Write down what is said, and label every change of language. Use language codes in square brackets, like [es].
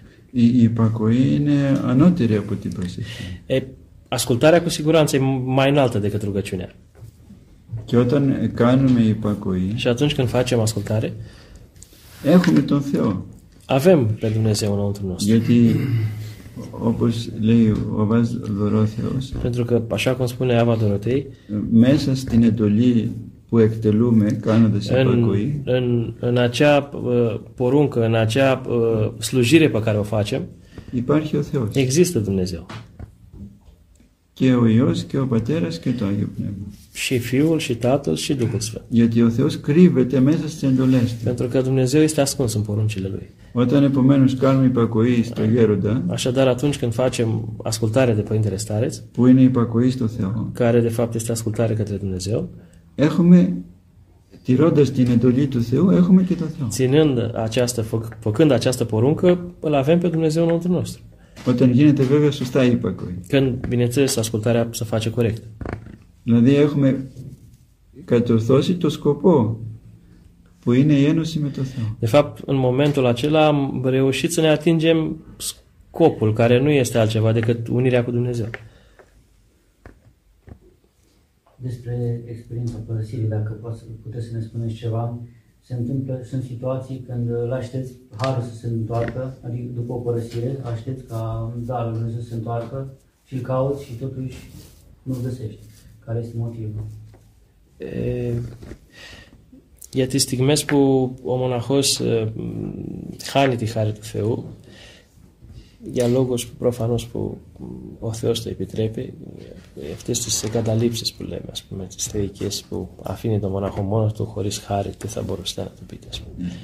[el] Η υπακοή είναι ανώτερη από την προσευχή. [ro] Ασκουλτάρια cu siguranță e mai înaltă decât rugăciunea. [el] Και όταν κάνουμε υπακοή, [ro] și atunci când facem ascultare, [el] έχουμε τον Θεό. [ro] Avem pe Dumnezeu înăuntru nostru. [el] Γιατί, όπως λέει ο Αββάς Δωροθέος, [ro] pentru că, așa cum spune Ava Dorotei, [el] μέσα στην εντολή που εκτελούμε κάνοντας υπακοή, [ro] în acea poruncă, în acea slujire pe care o facem, [el] υπάρχει ο Θεός. [ro] Există Dumnezeu. [el] Και ο Υιός και ο Πατέρας και το Άγιο Πνεύμα. [ro] Și Fiul, și Tatăl, și Duhul Sfânt. [el] Γιατί ο Θεός κρύβεται μέσα στις εντολές Του. [ro] Pentru că Dumnezeu este ascuns în poruncile Lui. [el] Όταν επομένως κάνουμε υπακοή στο Γέροντα, [ro] așadar atunci când facem ascultare de Părintele Stareț, [el] που είναι υπακοή στο Θεό, [ro] care de fapt este ascultare către Dumnezeu, [el] έχουμε, τηρώντας την εντολή του Θεού, έχουμε και το Θεό. [ro] Ținând această, făcând această poruncă, îl avem pe Dumnezeu înăuntru nostru. [el] Όταν γίνεται βέβαια σωστά η υπακοή. [ro] Când, bineînțeles, ascultarea se face corect. [el] Δηλαδή έχουμε κατορθώσει το σκοπό που είναι η ένωση με το Θεό. [ro] De fapt, în momentul acela am reușit să ne atingem scopul, care nu este altceva decât unirea cu Dumnezeu. despre experiența părăsirii, dacă puteți să ne spuneți ceva. Se întâmplă, sunt situații când îl aștepți harul să se întoarcă, adică după o părăsire, aștepți ca darul lui Dumnezeu să se întoarcă și îl cauți și totuși nu-l găsești. Care este motivul? [el] Γιατί στιγμές που ο μοναχός χάνει τη χάρη του Θεού για λόγους που προφανώς που ο Θεός το επιτρέπει, αυτές τις εγκαταλείψεις που λέμε, ας πούμε, τις θεϊκές που αφήνει τον μοναχό μόνο του χωρίς χάρη, τι θα μπορούσατε να του πείτε, ας πούμε.